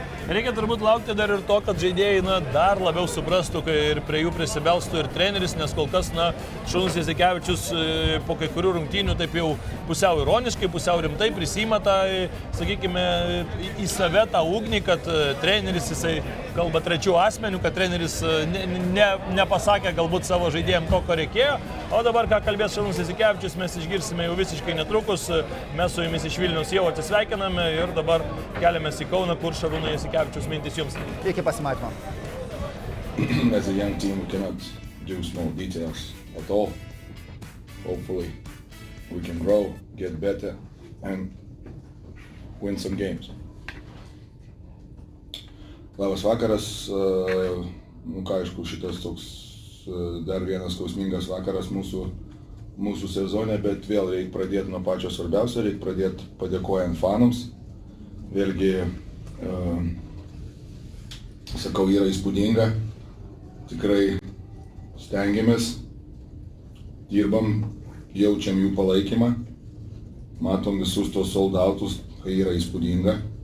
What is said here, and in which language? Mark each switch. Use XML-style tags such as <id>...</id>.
<lt>Reikia turbūt laukti dar ir to, kad žaidėjai na, dar labiau suprastų, kai ir prie jų prisibelstų ir treneris, nes kol kas na, Šarūnas Jasikevičius po kai kurių rungtynių taip jau pusiau ironiškai, pusiau rimtai prisima tą, sakykime, į save tą ugnį, kad treneris, jisai kalba trečių asmenių, kad treneris nepasakė galbūt savo žaidėjam, ko reikėjo. O dabar, ką kalbės Šarūnas Jasikevičius, mes išgirsime jau visiškai netrukus. Mes su jumis iš Vilniaus jau atsisveikiname ir dabar keliamės į Kauną, kur Šarūnas Jasikevičius mintis jums. Iki pasimatymo.</lt> <en>As a young team, we cannot do small details at all. Hopefully, we can grow, get better and win some games.</en> <lt>Labas vakaras, aišku, šitas toks dar vienas skausmingas vakaras mūsų sezone, bet vėl reikia pradėti nuo pačio svarbiausio, reikia pradėti padėkojant fanams. Vėlgi, sakau, yra įspūdinga, tikrai stengiamės, dirbam, jaučiam jų palaikymą, matom visus tos soldautus, kai yra įspūdinga.</lt>